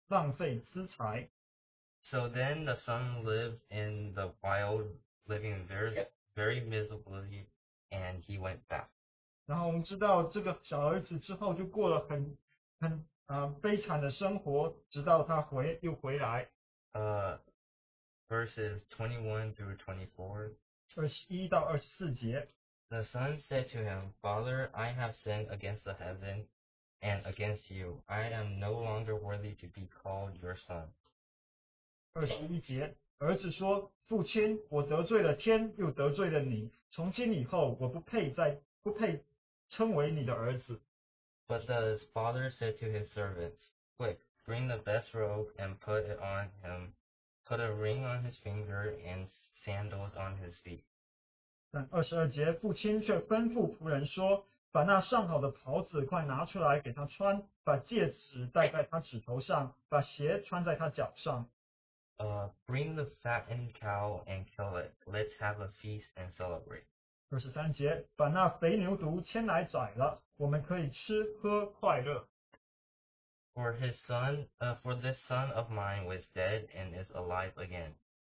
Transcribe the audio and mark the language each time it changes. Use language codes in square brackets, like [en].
[en] So then the son lived in the wild, living very, very miserably, and he went back. [zh] 然后我们知道这个小儿子之后就过了很悲惨的生活，直到他又回来。 [en] Verses 21-24. The son said to him, Father, I have sinned against the heaven. And against you, I am no longer worthy to be called your son. [zh] 21节，儿子说，父亲，我得罪了天，又得罪了你，从今以后，我不配称为你的儿子。 [en] But the father said to his servants, Quick, bring the best robe and put it on him, put a ring on his finger and sandals on his feet. [zh] 22节, 父亲却吩咐仆人说, 把那上好的袍子快拿出来给他穿, 把戒指戴在他指头上, 把鞋穿在他脚上。 [en] Bring the fattened cow and kill it. Let's have a feast and celebrate. [zh] 23节, 把那肥牛犊牵来宰了, 我们可以吃喝快乐。 [en] For this son of mine was dead and is alive again.